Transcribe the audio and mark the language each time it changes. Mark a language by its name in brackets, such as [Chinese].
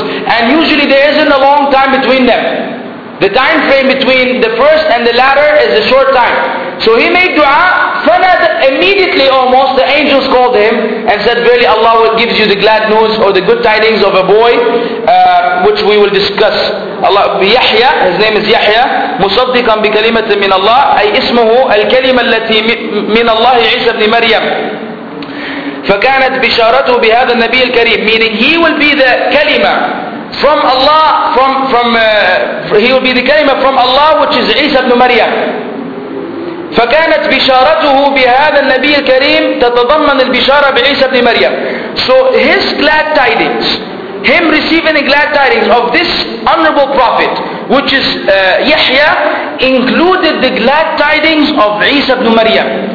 [English] And usually there isn't a long time between them. The time frame between the first and the latter is a short time. So he made dua, [Arabic] فَنَدَ [English] immediately almost, the angels called him and said, "Verily Allah will give you the glad news or the good tidings of a boy, which we will discuss." Allah, Yahya, his name is Yahya, [Arabic] مُصَدِّقًا بِكَلِمَةٍ مِّنَ اللَّهِ أَيْ إِسْمُهُ الْكَلِمَةِ الَّتِي مِّنَ اللَّهِ عِيسَى بْنِ مَرْيَمْ فَكَانَتْ بِشَارَتُهُ بِهَذَا النَّبِيِّ الْكَرِيمِ. [English] Meaning he will be the kalima from Allah, he will be the kalima from Allah, which is Isa ibn Maryam. [Arabic] فَكَانَتْ بِشَارَتُهُ بِهَذَا النَّبِيِّ الْكَرِيمِ تَتَضَمَّنِ الْبِشَارَةِ بِعِيسَى بْنِ مَرْيَمِ. [English] So his glad tidings, him receiving the glad tidings of this honorable prophet, which is Yahya, included the glad tidings of Isa ibn Maryam.